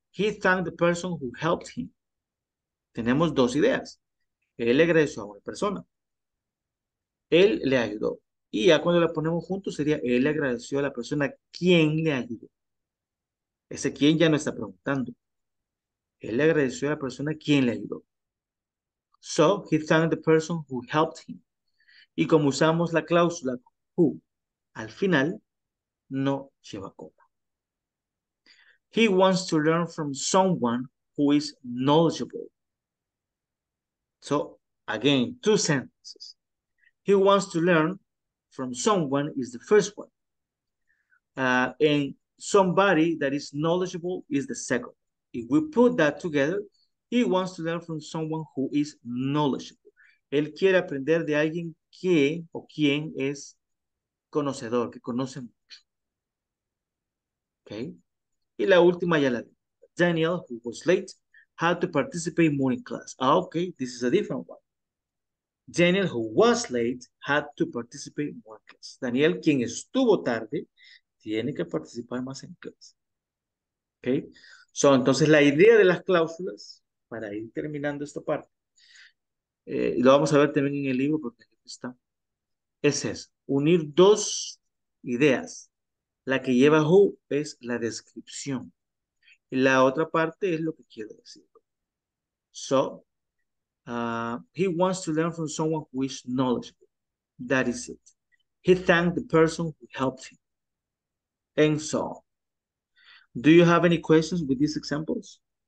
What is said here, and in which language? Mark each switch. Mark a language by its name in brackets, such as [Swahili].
[English] He thanked the person who helped him. [Spanish] Tenemos dos ideas. Él le agradeció a una persona. Él le ayudó. Y ya cuando la ponemos juntos sería, él le agradeció a la persona quien le ayudó. Ese quien ya no está preguntando. Él le agradeció a la persona quien le ayudó. [English] So, he thanked the person who helped him. [Spanish] Y como usamos la cláusula who, al final, no lleva coma. [English] He wants to learn from someone who is knowledgeable. So, again, two sentences. He wants to learn from someone is the first one. And somebody that is knowledgeable is the second. If we put that together, he wants to learn from someone who is knowledgeable. [Spanish] Él quiere aprender de alguien que o quien es conocedor, que conoce mucho. [English] Okay? [Spanish] Y la última ya la [English] Daniel, who was late, had to participate more in class. Ah, okay, this is a different one. Daniel, who was late, had to participate more in class. [Spanish] Daniel, quien estuvo tarde, tiene que participar más en clase. Okay? So, entonces, la idea de las cláusulas, para ir terminando esta parte, lo vamos a ver también en el libro, porque aquí está, es eso, unir dos ideas. La que lleva who es la descripción. Y la otra parte es lo que quiero decir. [English] So, he wants to learn from someone who is knowledgeable. That is it. He thanked the person who helped him. And so on. Do you have any questions with these examples?